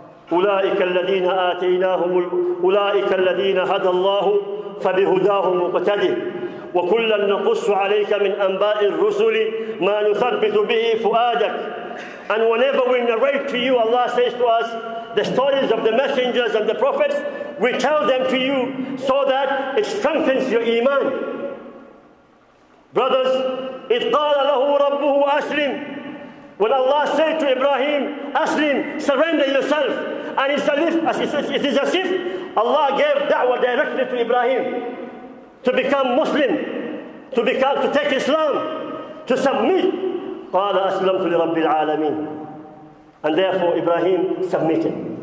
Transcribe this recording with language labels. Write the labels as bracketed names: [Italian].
[Arabic] أُولَٰئِكَ الَّذِينَ آتَيْنَاهُمُ أُولَٰئِكَ الَّذِينَ هَدَى اللَّهُ فَبِهُدَاهُمْ مُقْتَدِهُ وَكُلًّا نَقُصُّ عَلَيْكَ مِنْ أَنْبَاءِ الرُّسُلِ مَا نُثَبِّتُ بِهِ فُؤَادَكَ. [English] And whenever we narrate to you, Allah says to us, the stories of the messengers and the prophets, we tell them to you so that it strengthens your iman. Brothers, [Arabic] إِذْ قَالَ لَهُ رَبُّهُ أَسْلِمْ. [English] When Allah said to Ibrahim, Aslim, surrender yourself. And it is as if Allah gave da'wah directly to Ibrahim to become Muslim, to take Islam, to submit. [Arabic] قَالَ أَسْلَمْتُ لِرَبِّ الْعَالَمِينَ. [English] And therefore Ibrahim submitted.